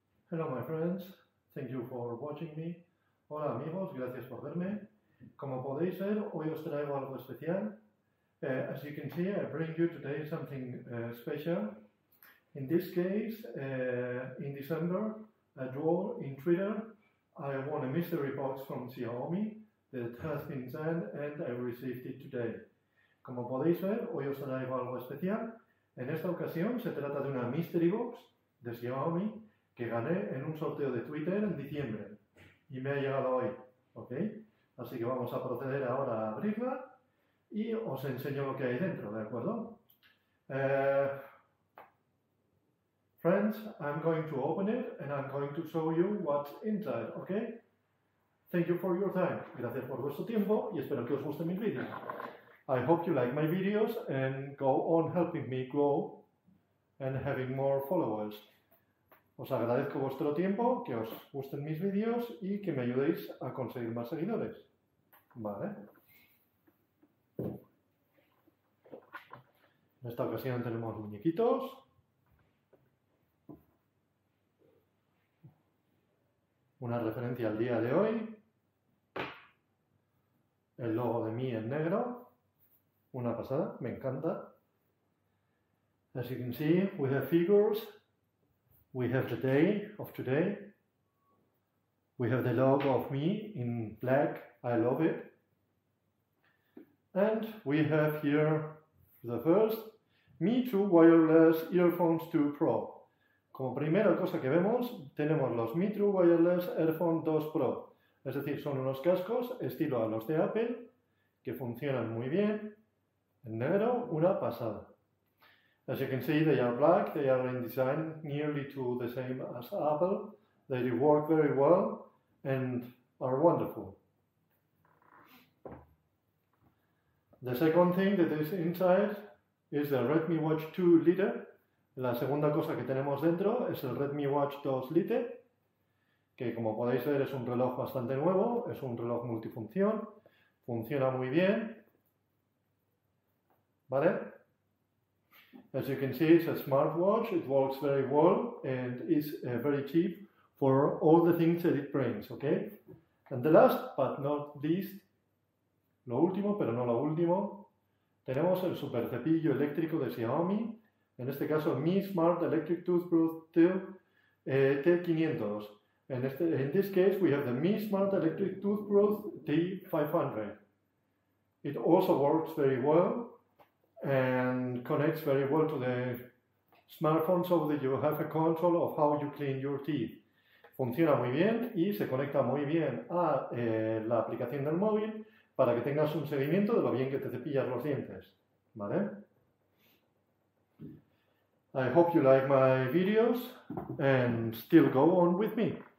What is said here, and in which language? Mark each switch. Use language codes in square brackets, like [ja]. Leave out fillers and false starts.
[en] Hello my friends, thank you for watching me. [es] Hola amigos, gracias por verme. Como podéis ver, hoy os traigo algo especial. [en] As you can see, I bring you today something special. In this case, in December, a draw in Twitter, I won a mystery box from Xiaomi that has been sent and I received it today. [es] Como podéis ver, hoy os traigo algo especial. En esta ocasión se trata de una mystery box de Xiaomi que gané en un sorteo de Twitter en diciembre y me ha llegado hoy, ¿ok? Así que vamos a proceder ahora a abrirla y os enseño lo que hay dentro, ¿de acuerdo? [en] Friends, I'm going to open it and I'm going to show you what's inside, ¿ok? Thank you for your time. [es] Gracias por vuestro tiempo y espero que os guste mi vídeo. [en] I hope you like my videos and go on helping me grow and having more followers. [es] Os agradezco vuestro tiempo, que os gusten mis vídeos y que me ayudéis a conseguir más seguidores. Vale. En esta ocasión tenemos muñequitos. Una referencia al día de hoy. El logo de mí en negro. Una pasada, me encanta. [en] As you can see, we have figures. We have the day of today. We have the logo of me in black. I love it. And we have here the first Mi 2 Wireless Earphones 2 Pro. [es] Como primera cosa que vemos, tenemos los Mi 2 Wireless Earphones 2 Pro. Es decir, son unos cascos estilo a los de Apple que funcionan muy bien. En negro, una pasada. [en] As you can see, they are black, they are in design nearly to the same as Apple. They work very well and are wonderful. The second thing that is inside is the Redmi Watch 2 Lite. [es] La segunda cosa que tenemos dentro es el Redmi Watch 2 Lite, que como podéis ver es un reloj bastante nuevo, es un reloj multifunción, funciona muy bien. ¿Vale? [en] As you can see, it's a smartwatch, it works very well and is very cheap for all the things that it brings, okay? And the last but not least, [es] lo último pero no lo último, tenemos el super cepillo eléctrico de Xiaomi, en este caso Mi Smart Electric Toothbrush T500. [en] In this case, we have the Mi Smart Electric Toothbrush T500. It also works very well and connects very well to the smartphone so that you have a control of how you clean your teeth. [es] Funciona muy bien y se conecta muy bien a la aplicación del móvil para que tengas un seguimiento de lo bien que te cepillas los dientes. ¿Vale? [en] I hope you like my videos and still go on with me.